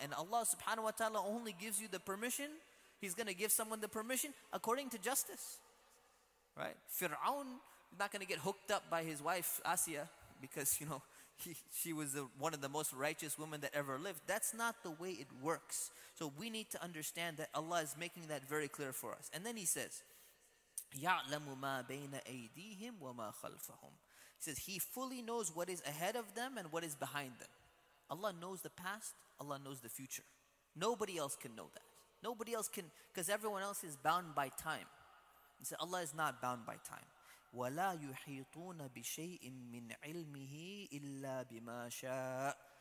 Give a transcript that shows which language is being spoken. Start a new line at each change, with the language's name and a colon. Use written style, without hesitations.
English: And Allah subhanahu wa ta'ala only gives you the permission. He's going to give someone the permission according to justice. Right? Fir'aun is not going to get hooked up by his wife Asiya because, you know, she was one of the most righteous women that ever lived. That's not the way it works. So we need to understand that Allah is making that very clear for us. And then he says,
Arabic: يَعْلَمُ مَا بَيْنَ أَيْدِيهِمْ وَمَا خَلْفَهُمْ.
English: He says, he fully knows what is ahead of them and what is behind them. Allah knows the past, Allah knows the future. Nobody else can know that. Nobody else can, because everyone else is bound by time. He said, Allah is not bound by time.
Arabic: وَلَا يُحِيطُونَ بِشَيْءٍ مِّنْ عِلْمِهِ إِلَّا بِمَا شَاءٍ.